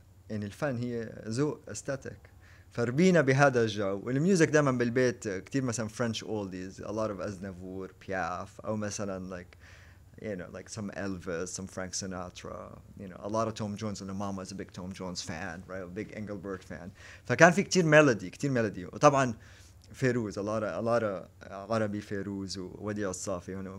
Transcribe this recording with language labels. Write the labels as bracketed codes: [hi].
[ar] يعني الفن هي ذوق استاتيك، فربينا بهذا الجو. والميوزك دائما بالبيت كتير مثلا فرنش اولديز، [en] a lot of Aznavour, Piaf، [ar] او مثلا [en] like you know like some Elvis, some Frank Sinatra, you know a lot of Tom Jones. and mama is a big Tom Jones fan, right, a big Engelbert fan. [ar] فكان في كتير ميلودي، كتير ميلودي، وطبعا فيروز، [en] a lot of [ar] عربي فيروز ووديع الصافي هنا.